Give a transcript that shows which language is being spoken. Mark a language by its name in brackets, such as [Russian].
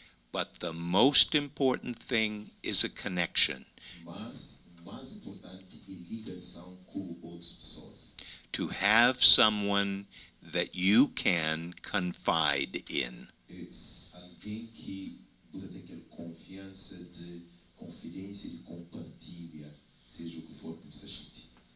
[English] But the most important thing is a connection. [Portuguese] Mas mais importante é a ligação com outras pessoas. [English] To have someone that you can confide in. [Portuguese] It's alguém que você tem aquela confiança de confidência e compartilha, seja o que for que você sente.